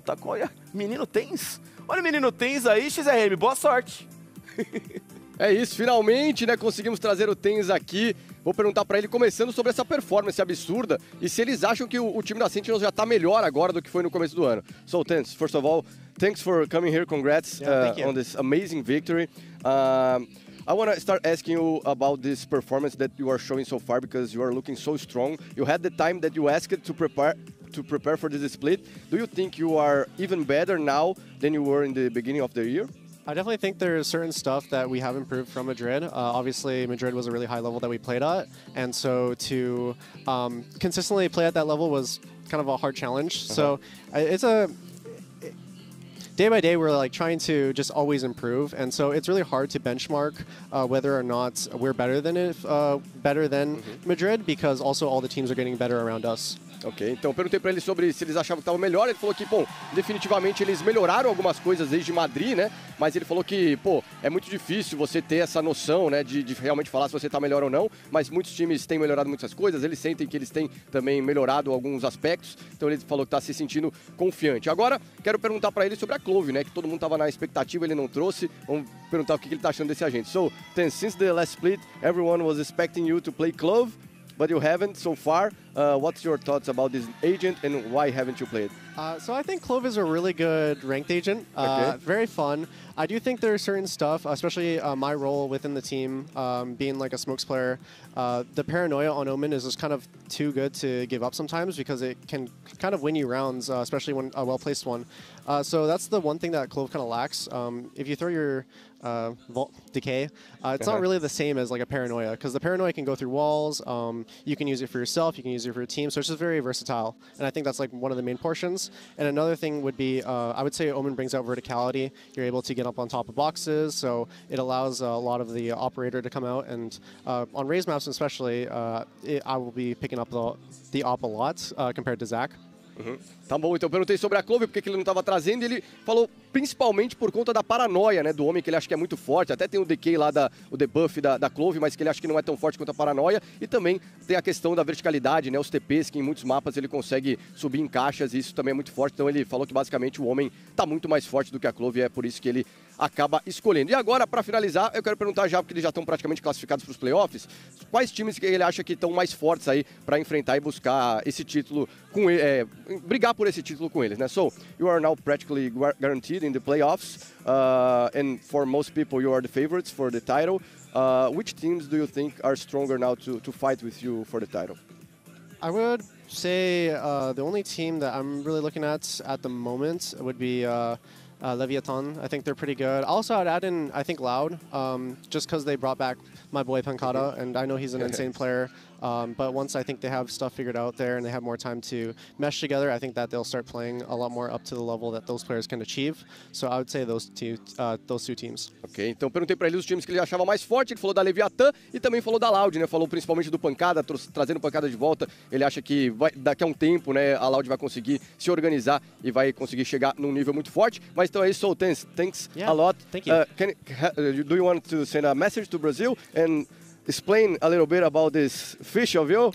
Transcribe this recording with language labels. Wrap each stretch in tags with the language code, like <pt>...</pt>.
<pt>Tá com, olha, menino Tens. Olha o menino Tens aí, XRM, boa sorte. É isso, finalmente, né, conseguimos trazer o Tens aqui. Vou perguntar pra ele, começando, sobre essa performance absurda e se eles acham que o time da Sentinels já tá melhor agora do que foi no começo do ano.</pt> <en>So, Tens, first of all, thanks for coming here. Congrats on this amazing victory. I want to start asking you about this performance that you are showing so far, because you are looking so strong. You had the time that you asked to prepare for this split. Do you think you are even better now than you were in the beginning of the year? I definitely think there is certain stuff that we have improved from Madrid. Obviously, Madrid was a really high level that we played at. And so to consistently play at that level was kind of a hard challenge. Uh-huh. So it's a day by day, we're like trying to just always improve. And so it's really hard to benchmark whether or not we're better than Madrid, because also all the teams are getting better around us.</en> <pt>Ok, então perguntei pra ele sobre se eles achavam que tava melhor, ele falou que, bom, definitivamente eles melhoraram algumas coisas desde Madrid, né? Mas ele falou que, pô, é muito difícil você ter essa noção, né, de realmente falar se você tá melhor ou não, mas muitos times têm melhorado muitas coisas, eles sentem que eles têm também melhorado alguns aspectos, então ele falou que tá se sentindo confiante. Agora, quero perguntar pra ele sobre a Cloud9, Clove, né? Que todo mundo tava na expectativa, ele não trouxe. Vamos perguntar o que ele tá achando desse agente.</pt> <en>So, then, since the last split, everyone was expecting you to play Clove, but you haven't so far. What's your thoughts about this agent and why haven't you played? So I think Clove is a really good ranked agent. Very fun. I do think there are certain stuff, especially my role within the team, being like a smokes player. The paranoia on Omen is just kind of too good to give up sometimes because it can kind of win you rounds, especially when a well-placed one. So that's the one thing that Clove kind of lacks. If you throw your vault decay, it's not really the same as like a paranoia because the paranoia can go through walls. You can use it for yourself. You can use it for a team. So it's just very versatile. And I think that's like one of the main portions. And another thing would be, I would say Omen brings out verticality. You're able to get up on top of boxes. So it allows a lot of the operator to come out. And on raised maps especially, I will be picking up the op a lot compared to Zac.</en> <pt>Tá bom, então eu perguntei sobre a Clove, porque que ele não tava trazendo, e ele falou principalmente por conta da paranoia, né, do homem, que ele acha que é muito forte, até tem o decay lá, o debuff da Clove, mas que ele acha que não é tão forte quanto a paranoia, e também tem a questão da verticalidade, né, os TPs, que em muitos mapas ele consegue subir em caixas, e isso também é muito forte, então ele falou que basicamente o homem tá muito mais forte do que a Clove, e é por isso que ele acaba escolhendo. E agora, para finalizar, eu quero perguntar já, porque eles já estão praticamente classificados para os playoffs, quais times que ele acha que estão mais fortes aí para enfrentar e buscar esse título com ele, brigar por esse título com eles, né?</pt> <en>So, you are now practically guaranteed in the playoffs, and for most people you are the favorites for the title. Which teams do you think are stronger now to fight with you for the title? I would say the only team that I'm really looking at the moment would be Leviathan. I think they're pretty good. Also, I'd add in, I think, Loud, just because they brought back my boy Pancada, and I know he's an insane player, but once I think they have stuff figured out there and they have more time to mesh together, I think that they'll start playing a lot more up to the level that those players can achieve. So I would say those two teams.</en> <pt>Ok, então perguntei pra ele os times que ele achava mais forte, ele falou da Leviathan e também falou da Loud, né? Falou principalmente do Pancada, trazendo Pancada de volta. Ele acha que vai, daqui a um tempo, né, a Loud vai conseguir se organizar e vai conseguir chegar num nível muito forte. Mas então é isso, Soltens.</pt> <en>Thanks a lot. Thank you. Do you want to send a message to Brazil? And explain a little bit about this fish of you.</en>